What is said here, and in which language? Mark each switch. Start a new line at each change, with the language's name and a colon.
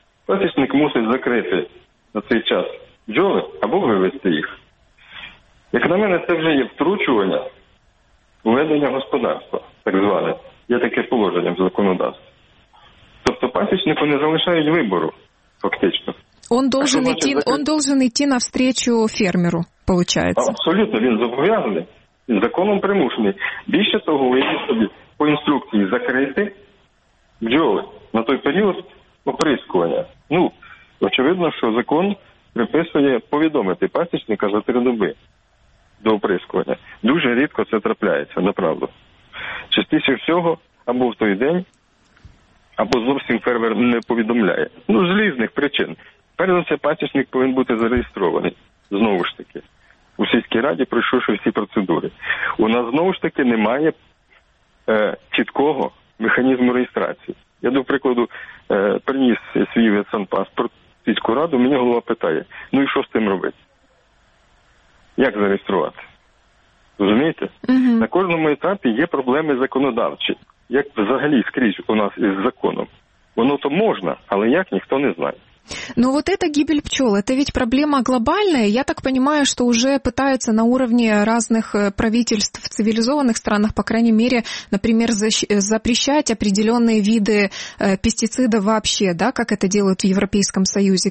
Ukrainian: Пасічник мусить закрити на цей час бджоли або вивезти їх. Як на мене, це вже є втручування у ведення господарства, так зване. Є таке положення в законодавстві. Тобто пасічнику не залишають вибору, фактично.
Russian: Он должен идти навстречу фермеру, получается.
Ukrainian: Абсолютно, він зобов'язаний, він законом примушений. Більше того, ви собі по інструкції закрити бджоли на той період оприскування. Ну, очевидно, що закон приписує повідомити пасічника за 3 доби до оприскування. Дуже рідко це трапляється, направду. Частіше всього, або в той день, або зовсім фермер не повідомляє. Ну, з різних причин. Перш за все, пасічник повинен бути зареєстрований. Знову ж таки. У сільській раді пройшовши всі процедури. У нас, знову ж таки, немає чіткого механізму реєстрації. Я, до прикладу, приніс свій ветсанпаспорт в сільську раду, мені голова питає, ну і що з тим робити? Як зареєструвати? Розумієте? Угу. На кожному етапі є проблеми законодавчі. Як взагалі скрізь у нас із законом? Воно-то можна, але як, ніхто не знає.
Russian: Ну вот это гибель пчел, это ведь проблема глобальная. Я так понимаю, что уже пытаются на уровне разных правительств в цивилизованных странах, по крайней мере, например, запрещать определенные виды пестицидов вообще, да, как это делают в Европейском Союзе.